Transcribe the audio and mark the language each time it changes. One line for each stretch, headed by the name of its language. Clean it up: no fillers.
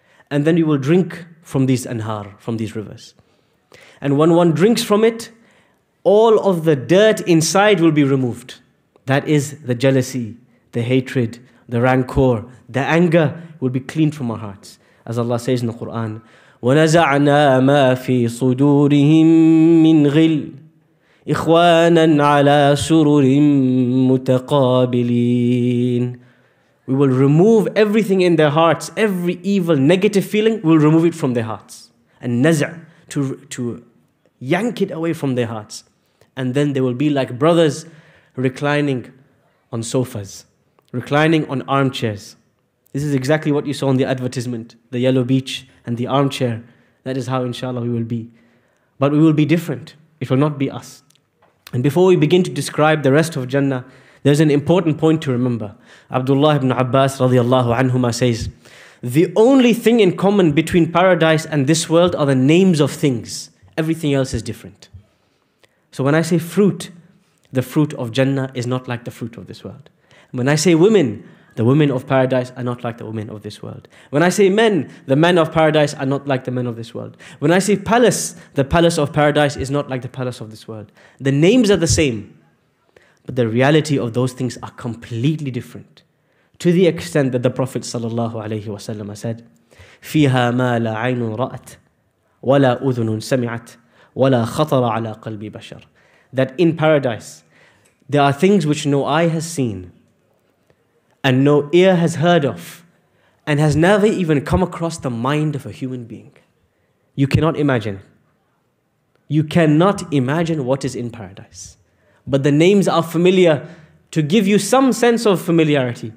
English: And then we will drink from these anhar, from these rivers. And when one drinks from it, all of the dirt inside will be removed. That is the jealousy, the hatred, the rancor, the anger will be cleaned from our hearts. As Allah says in the Quran,
Arabic: وَنَزَعْنَا مَا فِي صُدُورِهِم مِّنْ غِلٍّ إِخْوَانًا عَلَىٰ سُرُرٍ مُتَقَابِلِينَ.
English: We will remove everything in their hearts, every evil, negative feeling, we'll remove it from their hearts. And نَزَعْ, to yank it away from their hearts. And then they will be like brothers reclining on sofas, reclining on armchairs. This is exactly what you saw in the advertisement, the yellow beach and the armchair. That is how, inshallah, we will be. But we will be different. It will not be us. And before we begin to describe the rest of Jannah, there's an important point to remember. Abdullah ibn Abbas radiallahu anhuma says, the only thing in common between paradise and this world are the names of things. Everything else is different. So when I say fruit, the fruit of Jannah is not like the fruit of this world. When I say women, the women of paradise are not like the women of this world. When I say men, the men of paradise are not like the men of this world. When I say palace, the palace of paradise is not like the palace of this world. The names are the same, but the reality of those things are completely different. To the extent that the Prophet sallallahu alayhi wasallam said,
Arabic: فِيهَا مَا لَا عَيْنٌ رَأَتْ وَلَا أُذُنٌ سَمِعَتْ وَلَا خَطَرَ عَلَىٰ قَلْبِ بَشَرٍ.
English: That in paradise, there are things which no eye has seen and no ear has heard of and has never even come across the mind of a human being. You cannot imagine. You cannot imagine what is in paradise. But the names are familiar to give you some sense of familiarity.